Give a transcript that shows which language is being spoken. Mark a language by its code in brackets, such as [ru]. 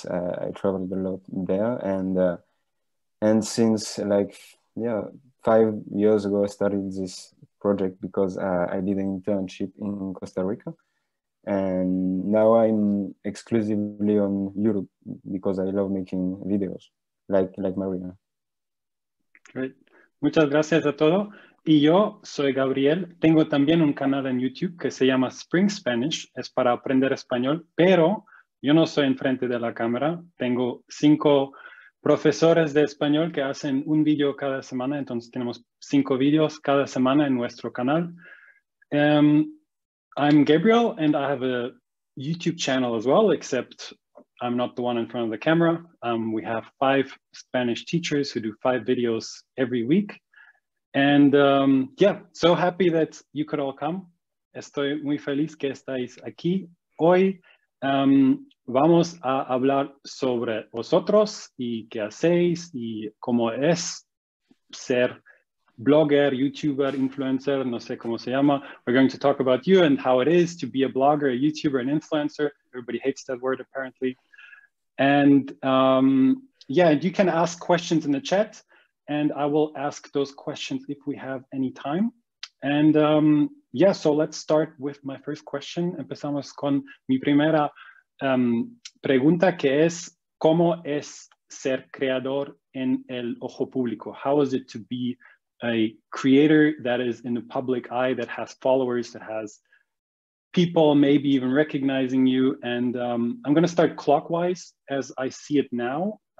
[en] I traveled a lot there. And since, like, yeah, 5 years ago, I started this project because I did an internship in Costa Rica, and now I'm exclusively on YouTube because I love making videos, like Marina. [es] Great. Muchas gracias a todos. Y yo soy Gabriel. Tengo también un canal en YouTube que se llama Spring Spanish. Es para aprender español, pero yo no soy enfrente de la cámara. Tengo 5 profesores de español que hacen un vídeo cada semana. Entonces, tenemos 5 vídeos cada semana en nuestro canal. [en] I'm Gabriel, and I have a YouTube channel as well, except I'm not the one in front of the camera. We have 5 Spanish teachers who do 5 videos every week. And yeah, so happy that you could all come. [es] Estoy muy feliz que estáis aquí hoy. Vamos a hablar sobre vosotros y qué hacéis y cómo es ser blogger, YouTuber, influencer, no sé cómo se llama. [en] We're going to talk about you and how it is to be a blogger, a YouTuber, an influencer. Everybody hates that word, apparently. And yeah, you can ask questions in the chat and I will ask those questions if we have any time. And yeah, so let's start with my first question. [es] Empezamos con mi primera pregunta, que es, ¿cómo es ser creador en el ojo público? [en] How is it to be a creator that is in the public eye, that has followers, that has people maybe even recognizing you? And I'm going to start clockwise as I see it now.